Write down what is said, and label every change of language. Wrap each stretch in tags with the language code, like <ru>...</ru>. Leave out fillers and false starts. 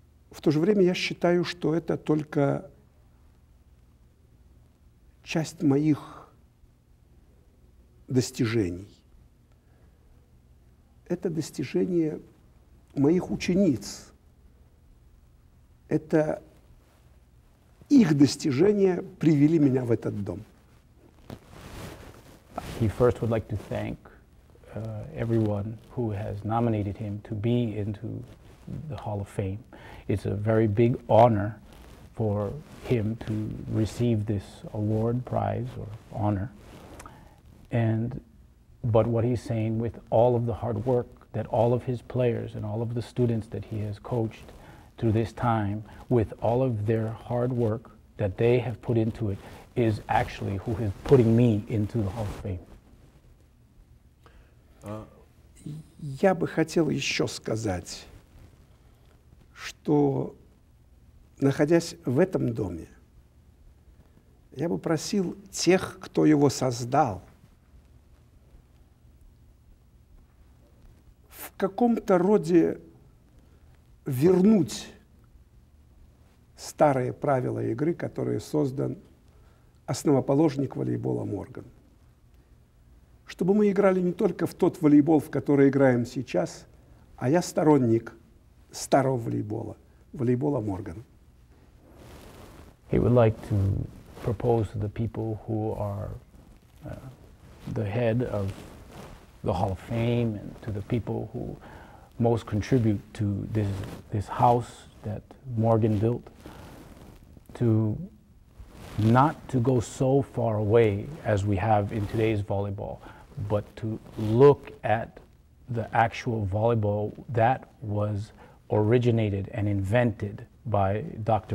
<ru>В то же время я считаю, что это только часть моих достижений. Это достижение моих учениц. Это их достижения привели меня в этот дом.</ru> <en>He first would like to thank everyone who has nominated him to be into the Hall of Fame. It's a very big honor for him to receive this award, prize, or honor. But what he's saying, with all of the hard work that all of his players and all of the students that he has coached through this time, with all of their hard work that they have put into it, is actually who is putting me into the Hall of Fame.</en> <ru>Я бы хотел еще сказать, что, находясь в этом доме, я бы просил тех, кто его создал, в каком-то роде вернуть старые правила игры, которые создан основоположник волейбола Морган. Чтобы мы играли не только в тот волейбол, в который играем сейчас, а я сторонник старого волейбола, волейбола Морган.</ru> <en>He would like to propose to the people who are the head of the Hall of Fame and to the people who most contribute to this house that Morgan built, to not to go so far away as we have in today's volleyball, but to look at the actual volleyball that was originated and invented by Dr.</en>